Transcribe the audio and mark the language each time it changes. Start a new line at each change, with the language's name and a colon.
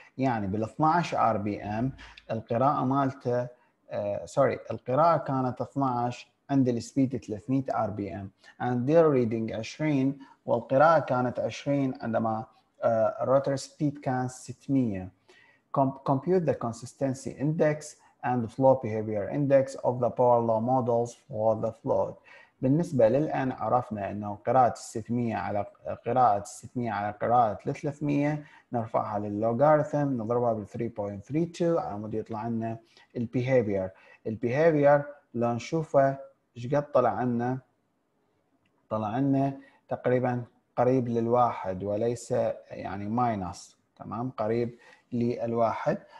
Arabic: يعني بال 12 RPM القراءة مالته القراءة كانت 12 عند السبيد 300 RPM
English: and dull reading 20
Arabic: والقراءة كانت 20 عندما rotor speed كان 600.
English: Compute the consistency index and the flow behavior index of the power law models for the fluid.
Arabic: بالنسبة للآن عرفنا أنه قراءة 600 على قراءة 600 على قراءة 300 نرفعها لللوغاريثم نضربها بال 3.32 على مود يطلع لنا البيهافير. البيهافير لو نشوفه ايش قد طلع لنا؟ طلع لنا تقريبا قريب للواحد وليس يعني ماينس، تمام قريب للواحد.